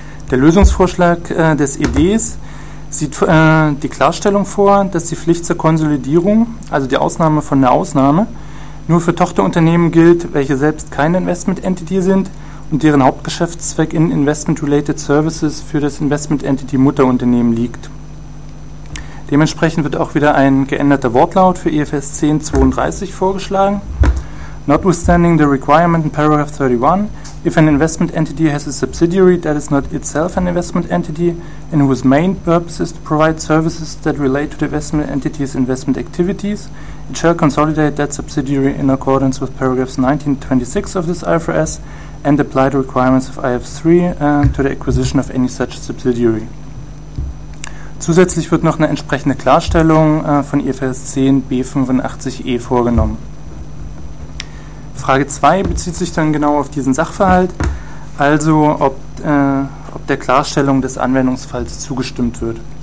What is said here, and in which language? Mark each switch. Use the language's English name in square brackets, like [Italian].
[German] Der Lösungsvorschlag des EDs sieht die Klarstellung vor, dass die Pflicht zur Konsolidierung, also die Ausnahme von der Ausnahme, nur für Tochterunternehmen gilt, welche selbst keine Investment Entity sind und deren Hauptgeschäftszweck in Investment-Related Services für das Investment Entity Mutterunternehmen liegt. Dementsprechend wird auch wieder ein geänderter Wortlaut für IFRS 10.32 vorgeschlagen. [English] Notwithstanding the requirement in paragraph 31, if an investment entity has a subsidiary that is not itself an investment entity and whose main purpose is to provide services that relate to the investment entity's investment activities, it shall consolidate that subsidiary in accordance with paragraphs 19-26 of this IFRS and apply the requirements of IFRS 3 to the acquisition of any such subsidiary. [German] Zusätzlich wird noch eine entsprechende Klarstellung von IFRS 10b85e vorgenommen. Frage 2 bezieht sich dann genau auf diesen Sachverhalt, also ob der Klarstellung des Anwendungsfalls zugestimmt wird.